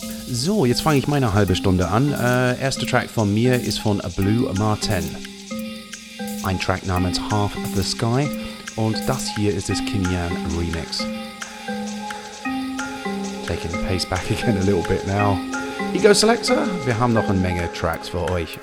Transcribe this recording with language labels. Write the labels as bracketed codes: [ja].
[de] So, jetzt fange ich meine halbe Stunde an. Erster Track von mir ist von Blue Martin. Ein Track namens Half the Sky. Und das hier ist das Kim Yan Remix. [en] Taking the pace back again a little bit now. [de] Ego Selector, wir haben noch eine Menge Tracks für euch.